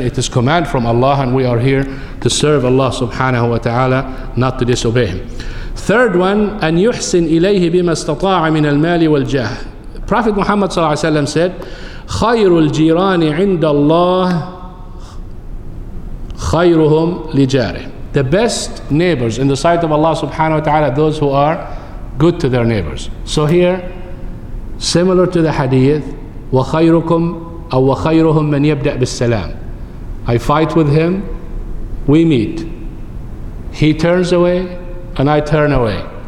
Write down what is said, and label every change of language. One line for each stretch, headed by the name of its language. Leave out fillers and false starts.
English: It is command from Allah, and we are here to serve Allah subhanahu wa ta'ala, not to disobey Him. Third one,
Arabic: أَنْ يُحْسِنْ إِلَيْهِ بِمَا اسْتَطَاعَ مِنَ الْمَالِ وَالْجَهِ. Prophet Muhammad صلى الله عليه وسلم
English: said,
Arabic: خَيْرُ الْجِيرَانِ عِنْدَ اللَّهِ خَيْرُهُمْ لِجَارِهِ.
English: The best neighbors in the sight of Allah subhanahu wa ta'ala, those who are good to their neighbors. So here, similar to the hadith,
Arabic: وَخَيْرُكُمْ أَوْ وَخَيْرُهُمْ مَنْ يَبْدَأْ بِالسَّلَامِ.
English: I fight with him, we meet. He turns away, and I turn away.